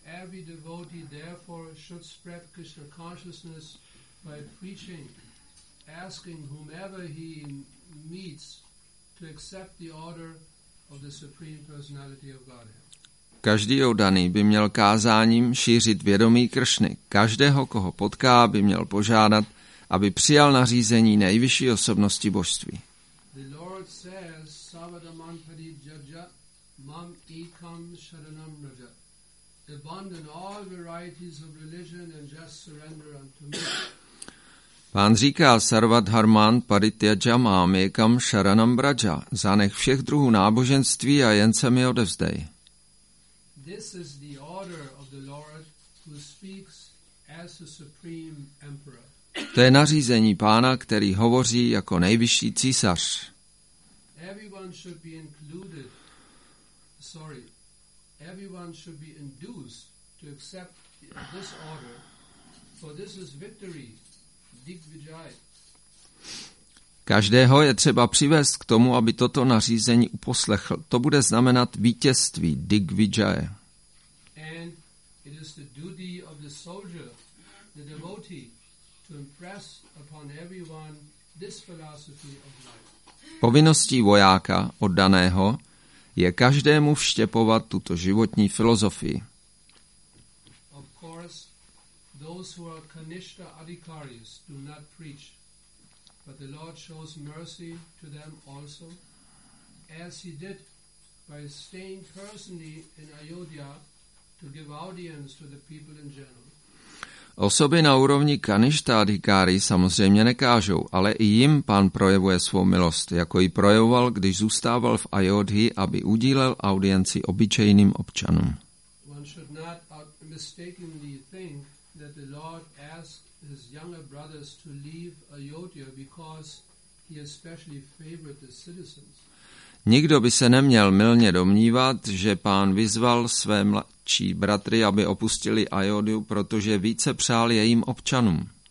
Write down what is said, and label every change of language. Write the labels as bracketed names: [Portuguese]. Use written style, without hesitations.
[English] Every devotee therefore should spread Krishna consciousness by preaching, asking whomever he meets to accept the order of the Supreme Personality of Godhead. [Czech] Každý oddaný by měl kázáním šířit vědomí Kršny. Každého, koho potká, by měl požádat, aby přijal nařízení nejvyšší osobnosti božství. [English] The Lord says, [Sanskrit] Savadaman padi jaja, mam ekam sharanam raja. [English] Abandon all varieties of religion and just surrender unto me. [Czech] Pán říká [Sanskrit] Sarvadharman parityaja mam ekam sharanam braja, [Czech] zanech všech druhů náboženství a jen se mi odevzdej. [English] This is the order of the Lord who speaks as the supreme emperor. [Czech] To je nařízení pána, který hovoří jako nejvyšší císař. [English] Everyone should be included. Sorry. Everyone should be induced to accept this order, for this is victory. [Czech] Každého je třeba přivést k tomu, aby toto nařízení uposlechl. To bude znamenat vítězství, Digvijaya. [English] And it is the duty of the soldier, the devotee, to impress upon everyone this philosophy of life. [Czech] Povinností vojáka, oddaného, je každému vštěpovat tuto životní filozofii. [English] Of course, those who are Kanishtha Adhikaris do not preach, but the Lord shows mercy to them also, as he did by staying personally in Ayodhya to give audience to the people in general. [Czech] Osoby na úrovni Kanishtha Adhikari samozřejmě nekážou, ale i jim pán projevuje svou milost, jako ji projevoval, když zůstával v Ayodhi, aby udílel audienci obyčejným občanům. [English] One should not mistakenly think that the Lord asked his younger brothers to leave Ayodhya because he especially favored the citizens. [Czech] Nikdo by se neměl mylně domnívat, že pán vyzval své mladší bratry, aby opustili Ayodhu, protože více přál jejím občanům.